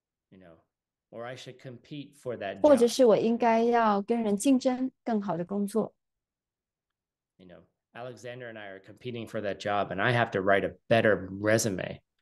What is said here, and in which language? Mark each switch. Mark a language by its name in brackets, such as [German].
[English] You know, or I should compete for that [Chinese] 或者 [English] job. [Chinese] 是我应该要跟人竞争更好的工作。 [English] You know, Alexander and I are competing for that job, and I have to write a better resume